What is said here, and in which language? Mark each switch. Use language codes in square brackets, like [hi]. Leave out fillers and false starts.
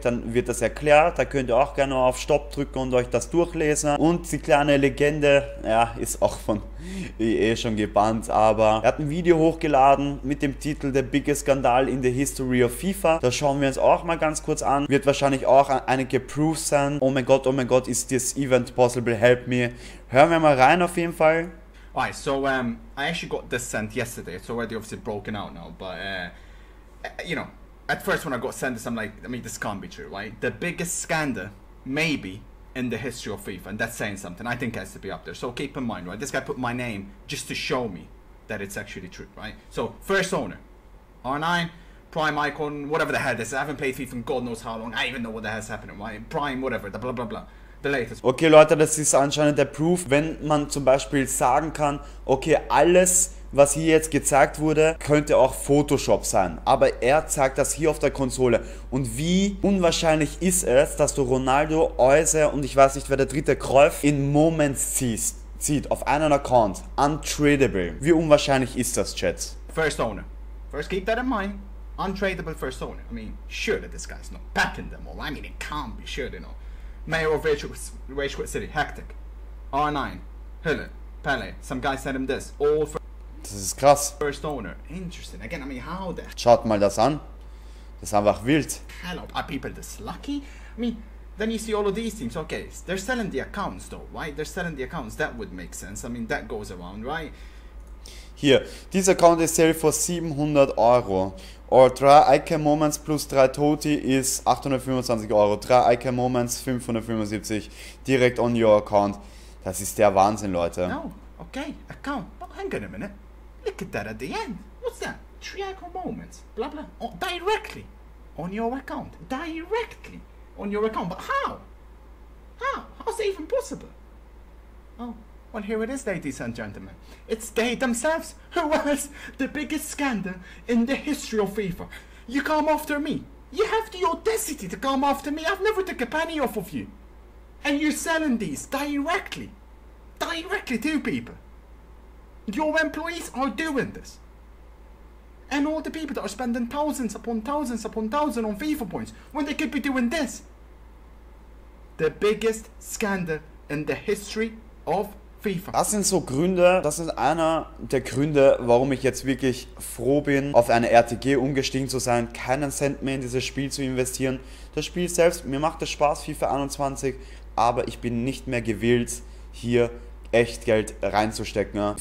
[de] Dann wird das erklärt. Da könnt ihr auch gerne auf Stopp drücken und euch das durchlesen. Und die kleine Legende, ja, ist auch von EA schon gebannt, aber er hat ein Video hochgeladen mit dem Titel [en] The Biggest Scandal in the History of FIFA. [de] Das schauen wir uns auch mal ganz kurz an. Wird wahrscheinlich auch einige Proofs sein. Oh mein Gott, [en] is this event possible? Help me. [de] Hören wir mal rein auf jeden Fall. [en] Alright, so I actually got this sent yesterday. It's already obviously broken out now, but you know, at first when I got sent this, I'm like, I mean, this can't be true, right? The biggest scandal, maybe, in the history of FIFA, and that's saying something. I think it has to be up there. So keep in mind, right? This guy put my name just to show me that it's actually true, right? So first owner, R9, Prime Icon, whatever the hell this is. I haven't played FIFA in God knows how long. I don't even know what the hell's happening, right? Prime, whatever, the blah blah blah. [de] Okay, Leute, das ist anscheinend der Proof, wenn man zum Beispiel sagen kann, okay, alles, was hier jetzt gezeigt wurde, könnte auch Photoshop sein. Aber er zeigt das hier auf der Konsole. Und wie unwahrscheinlich ist es, dass du Ronaldo, Euse und ich weiß nicht, wer der dritte Cruyff in Moments zieht auf einen Account. Untradable. Wie unwahrscheinlich ist das, Chats? [en] First owner. First keep that in mind. Untradable first owner. I mean, sure that this guy's not packing them all. I mean, it can't be sure, you know. Mayor of Rage Quit City, Hectic, R9, Hillen, Pele, some guy sent him this, all for... [de] Das ist krass. [en] First owner, interesting, again, I mean, how the... [de] Schaut mal das an, das ist einfach wild. [en] Hello, are people this lucky? I mean, then you see all of these teams, okay, they're selling the accounts though, right? They're selling the accounts, that would make sense, I mean, that goes around, right? [de] Hier, dieser Account ist [en] sale for [de] 700 Euro. [en] Or [de] 3 Icon Moments plus 3 Toti ist 825 Euro. [en] 3 Icon Moments 575 direkt on your account. [de] Das ist der Wahnsinn, Leute. [en] No, okay, account. But hang on a minute. Look at that at the end. What's that? 3 Icon Moments. Blah blah. Oh, directly on your account. Directly on your account. But how? How? How's it even possible? Oh. Well, here it is, ladies and gentlemen. It's they themselves who was the biggest scandal in the history of FIFA. You come after me. You have the audacity to come after me. I've never took a penny off of you. And you're selling these directly. Directly to people. Your employees are doing this. And all the people that are spending thousands upon thousands upon thousands on FIFA points when they could be doing this. The biggest scandal in the history of FIFA. [de] Das sind so Gründe, das ist einer der Gründe, warum ich jetzt wirklich froh bin, auf eine RTG umgestiegen zu sein, keinen Cent mehr in dieses Spiel zu investieren. Das Spiel selbst, mir macht das Spaß, FIFA 21, aber ich bin nicht mehr gewillt, hier echt Geld reinzustecken.